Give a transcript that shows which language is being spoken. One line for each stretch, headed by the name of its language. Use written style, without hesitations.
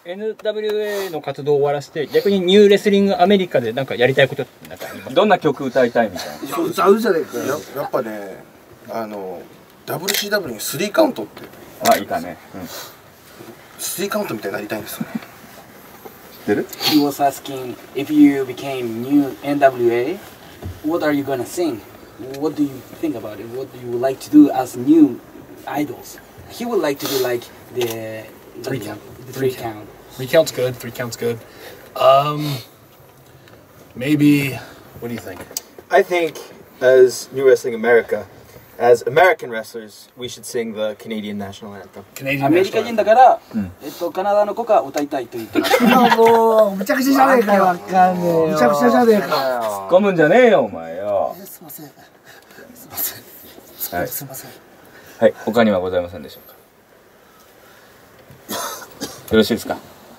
Japanese: NWA の活動を終わらせて、逆にニューレスリングアメリカでなんかやりたいことってなんかありますか。どんな曲歌いたいみたいな。歌うじゃねえか。やっぱね、あの WCW に3カウントって。あ、いたね。うん。3カウントみたいになりたいんですよ。知ってる？
English: He was asking if you became new NWA, what are you gonna sing? What do you think about it? What do you like to do as new idols? He would like to be like the... Three count. Three count's good. Maybe. What do you think? I think as New Wrestling America, as American wrestlers, we should sing the Canadian national anthem. Canadian.
Japanese: American 人だから、カナダの国歌を歌いたいと言ってる。もうめちゃくちゃじゃねえか。わかんねえ。めちゃくちゃじゃねえか。突っ込むんじゃねえよお前よ。すみません。すみません。はい。すみません。はい。他にはございませんでしょうか。よろしいですか。